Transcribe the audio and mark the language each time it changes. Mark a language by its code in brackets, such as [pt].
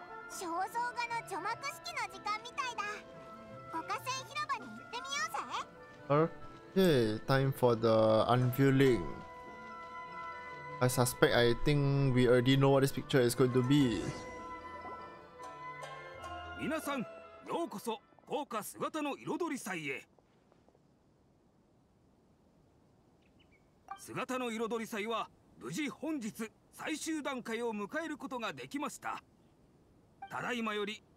[ja] 肖像画の除幕式の時間みたいだ。五花星広場に行ってみようぜ。 [en] Okay, time for the unveiling. I suspect I think we already know what this picture is going to be. [ja] 皆さん、ようこそ豪華姿の彩り祭へ。姿の彩り祭は無事本日最終段階を迎えることができました。ただいまより